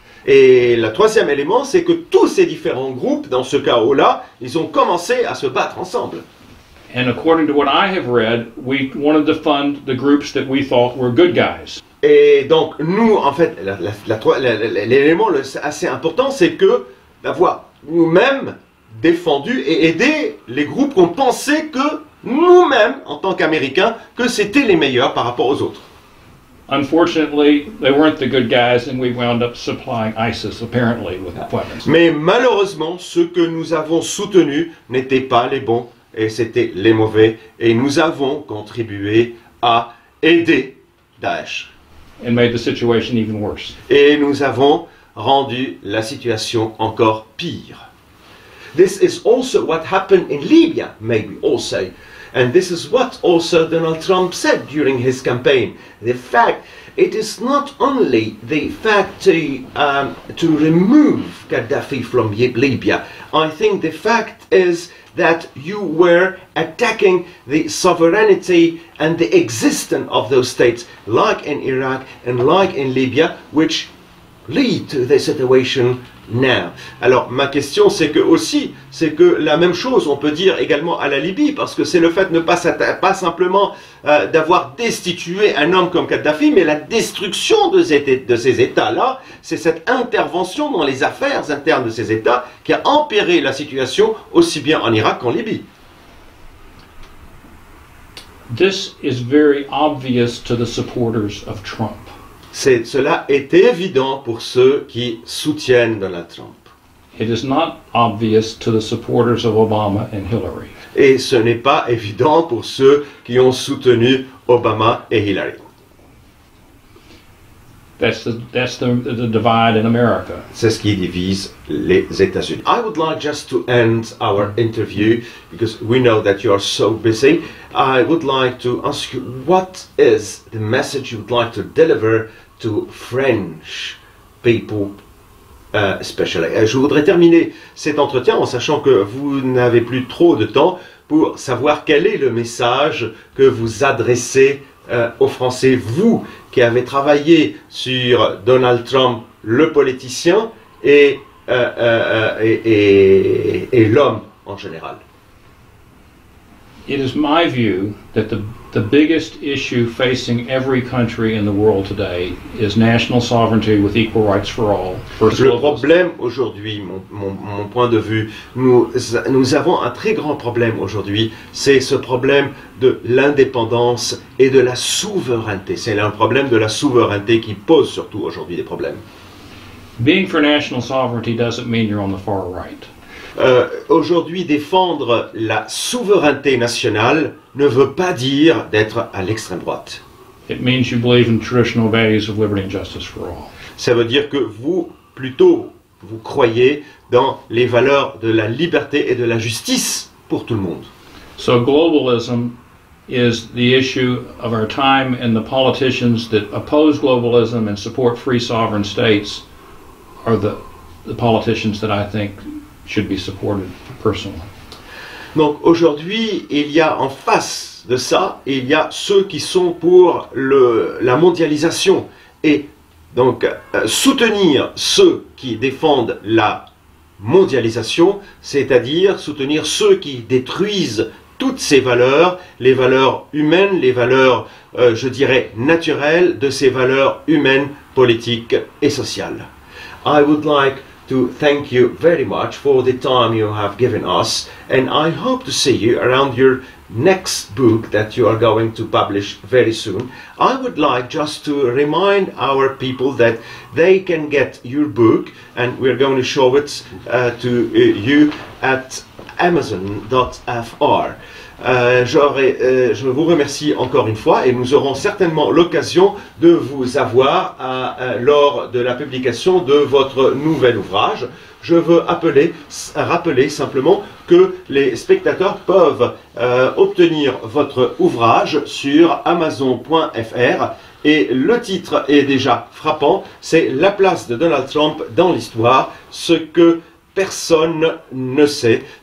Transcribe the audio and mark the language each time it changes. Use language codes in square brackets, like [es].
[fr] Et le troisième élément, c'est que tous ces différents groupes, dans ce chaos-là, ils ont commencé à se battre ensemble. [en] And according to what I have read, we wanted to fund the groups that we thought were good guys. [fr] Et donc, nous, en fait, l'élément assez important, c'est que d'avoir nous-mêmes défendu et aidé les groupes qu'on pensait que nous-mêmes, en tant qu'Américains, que c'était les meilleurs par rapport aux autres. [en] Unfortunately, they weren't the good guys, and we wound up supplying ISIS apparently with weapons. [fr] Mais malheureusement, ceux que nous avons soutenus n'étaient pas les bons, et c'était les mauvais, et nous avons contribué à aider Daesh. [en] And made the situation even worse. [fr] Et nous avons rendu la situation encore pire. [en] This is also what happened in Libya, maybe also. And this is what also Donald Trump said during his campaign. The fact, it is not only the fact to remove Gaddafi from Libya. I think the fact is that you were attacking the sovereignty and the existence of those states, like in Iraq and like in Libya, which lead to the situation now. [fr] Alors, ma question, c'est que aussi, c'est que la même chose, on peut dire également à la Libye, parce que c'est le fait de ne pas simplement d'avoir destitué un homme comme Kadhafi, mais la destruction de ces États-là, c'est cette intervention dans les affaires internes de ces États qui a empiré la situation aussi bien en Irak qu'en Libye. [en] This is very obvious to the supporters of Trump. [fr] C'est, cela est évident pour ceux qui soutiennent Donald Trump. [en] It is not obvious to the supporters of Obama and Hillary. [fr] Et ce n'est pas évident pour ceux qui ont soutenu Obama et Hillary. [en] That's the divide in America. [fr] C'est ce qui divise les États-Unis. [en] I would like just to end our interview, because we know that you are so busy. I would like to ask you, what is the message you would like to deliver to French people, especially. [fr] Je voudrais terminer cet entretien en sachant que vous n'avez plus trop de temps pour savoir quel est le message que vous adressez aux Français, vous qui avez travaillé sur Donald Trump, le politicien, et l'homme en général. [en] It is my view that the biggest issue facing every country in the world today is national sovereignty with equal rights for all. [fr] Le problème aujourd'hui, mon point de vue, nous avons un très grand problème aujourd'hui, c'est ce problème de l'indépendance et de la souveraineté. C'est un problème de la souveraineté qui pose surtout aujourd'hui des problèmes. [en] Being for national sovereignty doesn't mean you're on the far right. [fr] Aujourd'hui, défendre la souveraineté nationale ne veut pas dire d'être à l'extrême droite. [en] It means you believe in traditional values of liberty and justice for all. [fr] Ça veut dire que vous, plutôt, vous croyez dans les valeurs de la liberté et de la justice pour tout le monde. [en] So globalism is the issue of our time, and the politicians that oppose globalism and support free sovereign states are the politicians that I think should be supported personally. [fr] Donc aujourd'hui, il y a en face de ça, il y a ceux qui sont pour la mondialisation. Et donc soutenir ceux qui défendent la mondialisation, c'est-à-dire soutenir ceux qui détruisent toutes ces valeurs, les valeurs humaines, les valeurs, je dirais, naturelles de ces valeurs humaines, politiques et sociales. [en] I would like to thank you very much for the time you have given us, and I hope to see you around your next book that you are going to publish very soon. I would like just to remind our people that they can get your book, and we're going to show it to you at amazon.fr. [fr] Je vous remercie encore une fois et nous aurons certainement l'occasion de vous avoir lors de la publication de votre nouvel ouvrage. Je veux rappeler simplement que les spectateurs peuvent obtenir votre ouvrage sur amazon.fr et le titre est déjà frappant, c'est « La place de Donald Trump dans l'histoire, ce que personne ne sait ».